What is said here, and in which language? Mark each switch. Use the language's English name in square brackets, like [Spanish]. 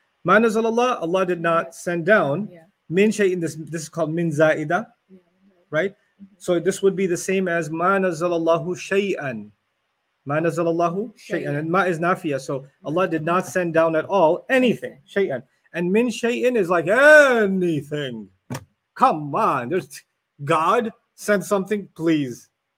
[Arabic] مَا نَزَّلَ اللَّهُ, [English] Allah did not send down. Yeah. [Arabic] مِنْ شَيْءٍ, [English] this is called [Arabic] مِنْ زَائِدَةٍ. [English] Yeah. Right? Mm-hmm. So this would be the same as [Arabic] مَا نَزَّلَ اللَّهُ شَيْءًا. Ma nazalallahu shay'an. [English] And ma is nafiyah. So Allah did not send down at all anything. Shay'an. And [Arabic] min shay'in [English] is like anything. Come on. There's God sent something, please.